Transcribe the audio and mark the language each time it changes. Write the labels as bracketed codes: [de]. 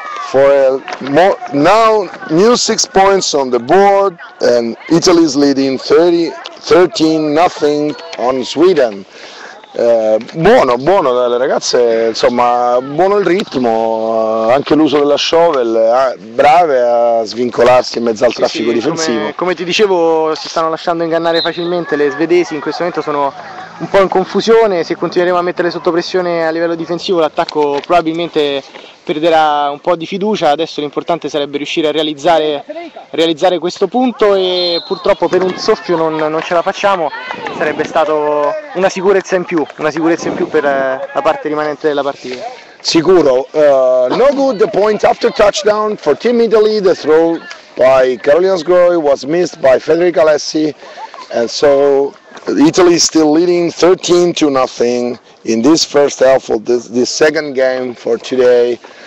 [en] For now, new 6 points on the board, and Italy is leading 13-0 on Sweden. [it] Buono, buono, le ragazze, insomma, buono il ritmo, anche l'uso della shovel, brave a svincolarsi in mezzo al traffico difensivo. Come ti dicevo, si stanno lasciando ingannare facilmente le svedesi, in questo momento sono un po' in confusione, se continueremo a mettere sotto pressione a livello difensivo l'attacco probabilmente perderà un po' di fiducia. Adesso l'importante sarebbe riuscire a realizzare questo punto, e purtroppo per un soffio non ce la facciamo, sarebbe stato una sicurezza in più per la parte rimanente della partita. [en] Sicuro, no good, the point after touchdown for Team Italy, the throw by Carolina Sgroi was missed by Federica Alessi, and so Italy is still leading 13-0 in this first half of this second game for today.